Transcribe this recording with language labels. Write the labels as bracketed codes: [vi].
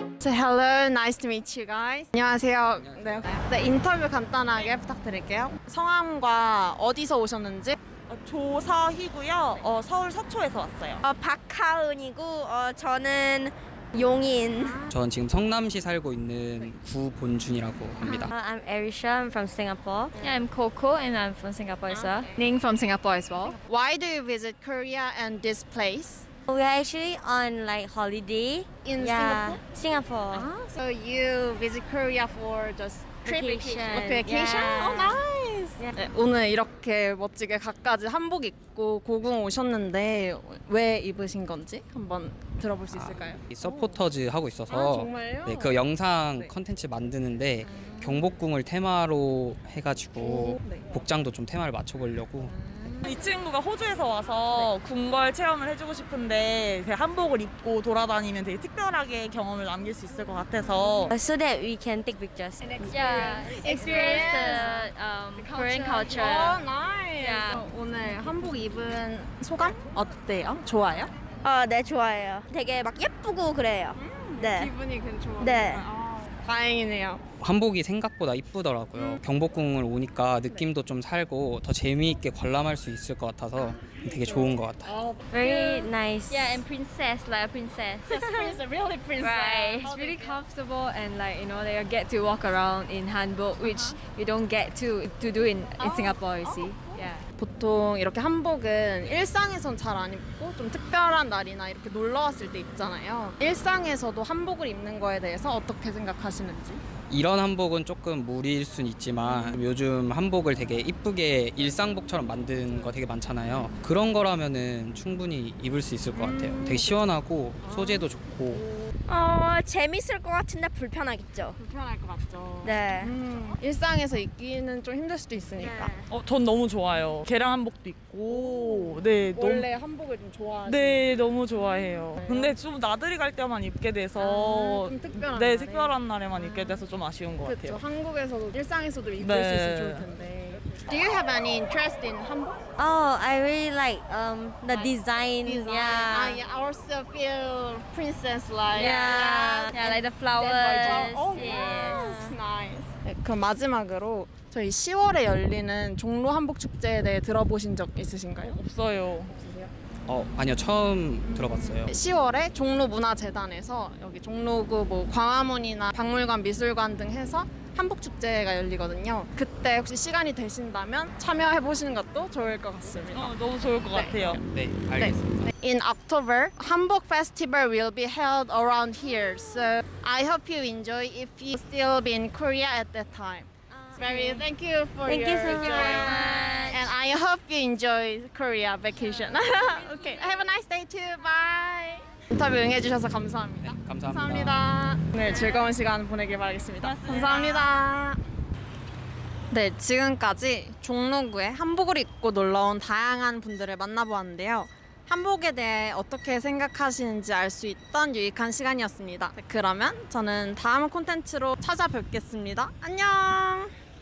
[en] 헬로, 나이스 투 미트 유 가이즈. [ko] 안녕하세요. 네, 인터뷰 간단하게 부탁드릴게요. 성함과 어디서 오셨는지? 조서희고요. 서울 서초에서 왔어요. 박하은이고, 저는 용인. 전 지금 성남시 살고 있는 구본준이라고 합니다. [en] I'm Arisha, I'm from Singapore. Yeah, I'm Coco and I'm from Singapore as well. Ning from Singapore as well. Why do you visit Korea and this place? We are actually on like holiday in Singapore. Uh-huh. So you visit Korea for just trip vacation? Yeah. Oh, nice. Yeah. [ko] 네, 오늘 이렇게 멋지게 각가지 한복 입고 고궁 오셨는데 왜 입으신 건지 한번 들어볼 수 있을까요? 서포터즈 하고 있어서. 아, 정말요? 네, 그 영상 컨텐츠 만드는데 경복궁을 테마로 해가지고 복장도 좀 테마를 맞춰보려고. 이 친구가 호주에서 와서 궁궐 체험을 해주고 싶은데 한복을 입고 돌아다니면 되게 특별하게 경험을 남길 수 있을 것 같아서. [en] So that we can take pictures. And experience the Korean culture. Oh, nice. Yeah. [ko] 오늘 한복 입은 소감 어때요? 좋아요? 네, 좋아요. 되게 막 예쁘고 그래요. 네. 기분이 괜찮아요. 네. 다행이네요. 한복이 생각보다 이쁘더라고요. 경복궁을 오니까 느낌도 좀 살고 더 재미있게 관람할 수 있을 것 같아서 되게 좋은 것 같아요. [en] Very nice. Yeah, and princess, like a princess. Princess, really princess. Right. It's really comfortable and like, you know, they get to walk around in hanbok, which you don't get to do in Singapore, you see. Yeah. [ko] 보통 이렇게 한복은 일상에선 잘 안 입고 좀 특별한 날이나 이렇게 놀러 왔을 때 입잖아요. 일상에서도 한복을 입는 거에 대해서 어떻게 생각하시는지? 이런 한복은 조금 무리일 순 있지만 요즘 한복을 되게 이쁘게 일상복처럼 만든 거 되게 많잖아요. 그런 거라면은 충분히 입을 수 있을 것 같아요. 되게 시원하고 소재도 좋고. 재밌을 것 같은데 불편하겠죠. 불편할 것 같죠. 네. 일상에서 입기는 좀 힘들 수도 있으니까. 네. 전 너무 좋아요. 개량 한복도 입고. 네. 원래 한복을 좀 좋아하세요? 네, 너무 좋아해요. 근데 좀 나들이 갈 때만 입게 돼서. 좀 특별한 네, 날에. 특별한 날에만 입게 돼서 좀 아쉬운 것 같아요. 그렇죠. 한국에서도 일상에서도 입을 수 있으면 좋을 텐데. [en] Do you have any interest in hanbok? Oh, I really like the like design. Yeah. I also feel princess-like. Yeah, like the flowers. Oh, yes. Nice. [ko] 네, 그럼 마지막으로 저희 10월에 열리는 종로 한복 축제에 대해 들어보신 적 있으신가요? 없어요. 아니요, 처음 들어봤어요. 10월에 종로문화재단에서 여기 종로구 뭐 광화문이나 박물관, 미술관 등 해서 한복축제가 열리거든요. 그때 혹시 시간이 되신다면 참여해보시는 것도 좋을 것 같습니다. 너무 좋을 것 네. 같아요. 네, 알겠습니다. 네. [en] In October, [ko] 한복 페스티벌 [en] will be held around here. So I hope you enjoy if you still be in Korea at that time. Very thank you for thank your you so joy. Much. And I hope you enjoy Korea vacation. Okay, have a nice day too. Bye. [ko] 인터뷰 응해주셔서 감사합니다. 네, 감사합니다. 감사합니다. 네, 즐거운 시간 보내길 바라겠습니다. 고맙습니다. 감사합니다. 네, 지금까지 종로구에 한복을 입고 놀러온 다양한 분들을 만나보았는데요. 한복에 대해 어떻게 생각하시는지 알 수 있던 유익한 시간이었습니다. 그러면 저는 다음 콘텐츠로 찾아뵙겠습니다. 안녕!